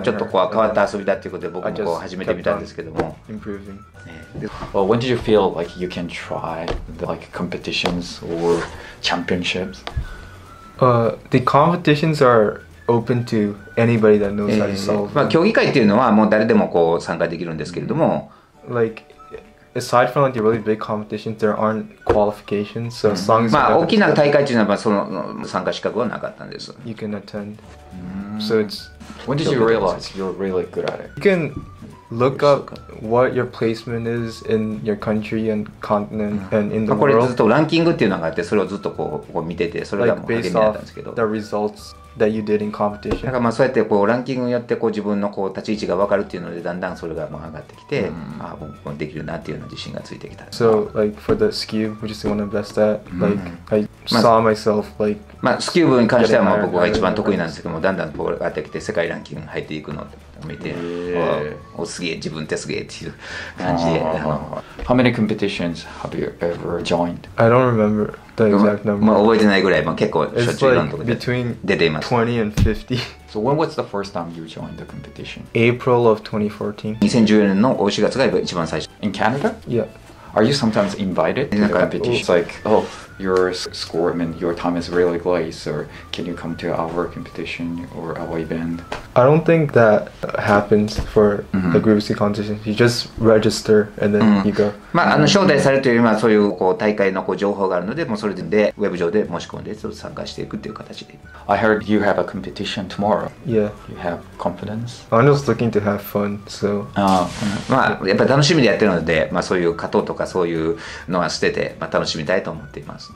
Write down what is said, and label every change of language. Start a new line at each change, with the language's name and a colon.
Japanese: ちょっとこう変わった遊びだということで僕もこう始めてみたんですけども。
English: Improving. Well, when did you feel like you can try the, like competitions or championships? The competitions are open to anybody that knows how to solve.
Japanese: まあ競技会っていうのはもう誰でもこう参加できるんですけれども、
English: like aside from like the really big competitions, there aren't qualifications. So as long as
Japanese: まあ大きな大会というのはその参加資格はなかったんです。
English: You can attend. So it's when did you realize you're really good at it? You can look up what your placement is in your country and continent and in the world.
Japanese: これずっとランキングっていうのがあってそれをずっとこう見ててそれがもう励みだったんですけど。
English: The results. That you did in competition.
Japanese: だからまあそうやってこうランキングによってこう自分のこう立ち位置が分かるっていうのでだんだんそれがまあ上がってきて、ああ僕もできるなっていうような自信がついてきた。
English: So like for the skew, which is the one I'm best at, like I saw myself like
Japanese: まあスキューブに関してはまあ僕が一番得意なんですけども、だんだんこう上がってきて世界ランキング入っていくのを見て、おすげえ自分ってすげえっていう感じで。
English: How many competitions have you ever joined? I don't remember. The exact number.
Japanese: まあ覚えてないぐらい、まあ、結構しょっちゅういろんなとこで出ています。
English: It's like between 20 and 50. So when was the first time you joined the competition? April of 2014.
Japanese: 2014年の4月が一番最初。
English: In Canada? Yeah. Are you sometimes invited to the competition? It's like, oh, your score, I mean, your time is really close, or can you come to our competition or our event? I don't think that happens for the group C competition. You just register and then you go.
Japanese: まあ、招待されるというよりはそういう、こう、大会のこう情報があるので、もうそれでウェブ上で申し込んで参加していくという形で。
English: I heard you have a competition tomorrow. Yeah. You have confidence? I'm just looking to have fun, so.
Japanese: まあ、やっぱり楽しみでやってるので、まあそういう勝とうとかそういうのは捨てて、まあ楽しみたいと思っています。